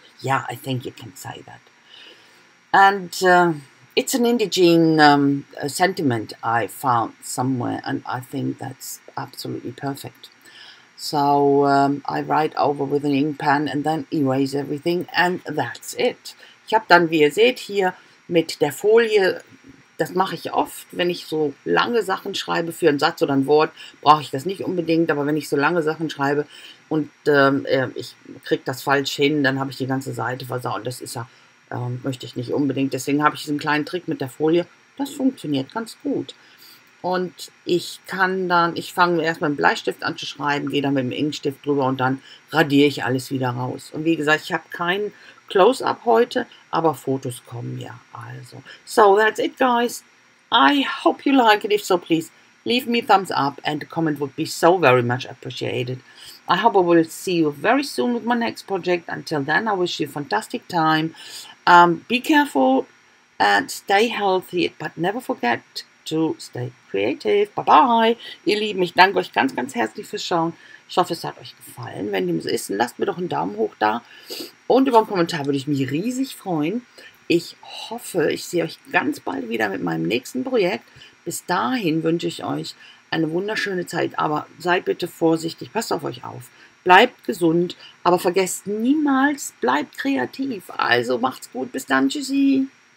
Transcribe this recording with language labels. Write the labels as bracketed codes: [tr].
[en] Yeah, I think you can say that. And it's an indigene sentiment I found somewhere, and I think that's absolutely perfect. So I write over with an ink pen and then erase everything, and that's it. [de] Ich habe dann, wie ihr seht, hier mit der Folie, das mache ich oft, wenn ich so lange Sachen schreibe für einen Satz oder ein Wort, brauche ich das nicht unbedingt, aber wenn ich so lange Sachen schreibe und ich kriege das falsch hin, dann habe ich die ganze Seite versaut. Das ist ja, möchte ich nicht unbedingt. Deswegen habe ich diesen kleinen Trick mit der Folie. Das funktioniert ganz gut. Und ich fange erst mit dem Bleistift an zu schreiben, gehe dann mit dem Inkstift drüber und dann radiere ich alles wieder raus. Und wie gesagt, ich habe kein Close-up heute, aber Fotos kommen ja. [en] Also, so that's it, guys. I hope you like it. If so, please leave me a thumbs up and a comment would be so very much appreciated. I hope I will see you very soon with my next project. Until then, I wish you a fantastic time. Be careful and stay healthy, but never forget to stay creative. Bye-bye. [de] Ihr Lieben, ich danke euch ganz, ganz herzlich fürs Schauen. Ich hoffe, es hat euch gefallen. Wenn dem so ist, dann lasst mir doch einen Daumen hoch da. Und über einen Kommentar würde ich mich riesig freuen. Ich hoffe, ich sehe euch ganz bald wieder mit meinem nächsten Projekt. Bis dahin wünsche ich euch eine wunderschöne Zeit, aber seid bitte vorsichtig, passt auf euch auf, bleibt gesund, aber vergesst niemals, bleibt kreativ. Also macht's gut, bis dann, tschüssi.